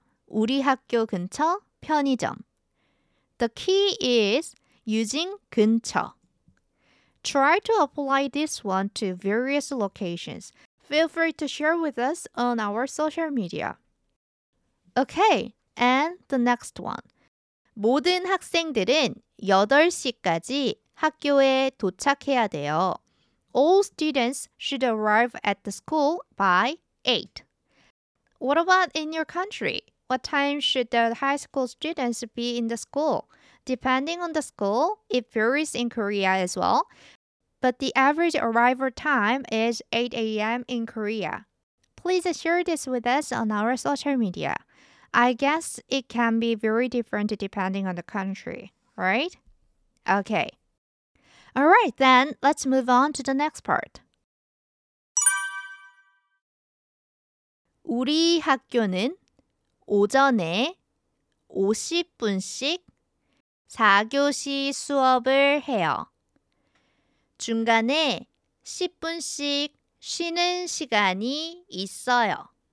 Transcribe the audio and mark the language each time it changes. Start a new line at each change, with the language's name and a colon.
Korean: 우리 학교 근처 편의점.
English: The key is using 근처. Try to apply this one to various locations. Feel free to share with us on our social media. Okay, and the next one.
Korean: 모든 학생들은 8시까지 학교에 도착해야 돼요.
English: All students should arrive at the school by 8. What about in your country? What time should the high school students be in the school? Depending on the school, it varies in Korea as well. But the average arrival time is 8 a.m. in Korea. Please share this with us on our social media. I guess it can be very different depending on the country, right? Okay. All right, then let's move on to the next part.
Korean: 우리 학교는 오전에 50분씩 4교시 수업을 해요. 중간에 10분씩 쉬는 시간이 있어요.